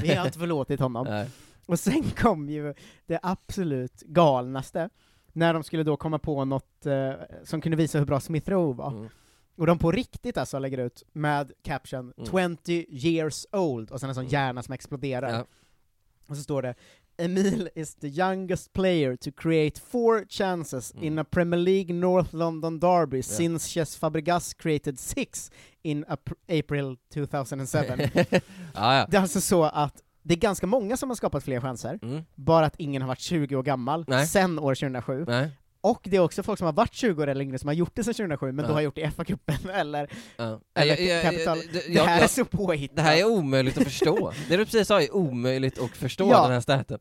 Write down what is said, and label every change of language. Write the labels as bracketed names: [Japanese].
[Swedish] Vi har inte förlåtit honom. Nej. Och sen kom ju det absolut galnaste när de skulle då komma på något som kunde visa hur bra Smith Rowe var. Och de på riktigt alltså lägger ut med caption [English] 20 years old [Swedish] och sen en sån hjärna som exploderar. Ja. Och så står det: [English] Emil is the youngest player to create 4 chances in a Premier League North London derby since Cesc Fabregas created 6 in April 2007. [Swedish] Ja, ja. Det är alltså så att det är ganska många som har skapat fler chanser. Mm. Bara att ingen har varit 20 år gammal. Nej. Sen år 2007. Nej. Och det är också folk som har varit 20 år eller längre som har gjort det sen 2007, men då har gjort det i FA-cupen eller, eller Capital. Det här är så påhittat. Det här är omöjligt att förstå. Det du precis sa är omöjligt att förstå den här staten.